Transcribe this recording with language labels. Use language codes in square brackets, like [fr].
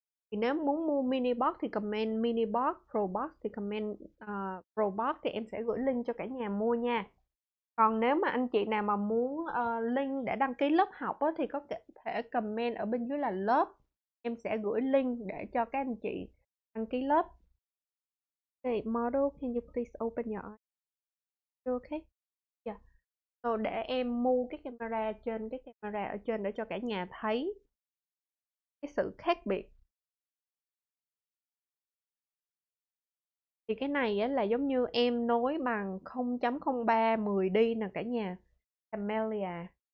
[vi] Thì nếu muốn mua mini box thì comment mini box, Pro Box thì comment Pro Box thì em sẽ gửi link cho cả nhà mua nha. Còn nếu mà anh chị nào mà muốn link để đăng ký lớp học đó, thì có thể comment ở bên dưới là lớp. Em sẽ gửi link để cho các anh chị đăng ký lớp. [en] Okay, model, can you please open your eyes? Okay. [vi] Rồi để em mua cái camera trên cái camera ở trên để cho cả nhà thấy cái sự khác biệt. Thì cái này á, là giống như em nối bằng 0.03 10D nè cả nhà. Camellia.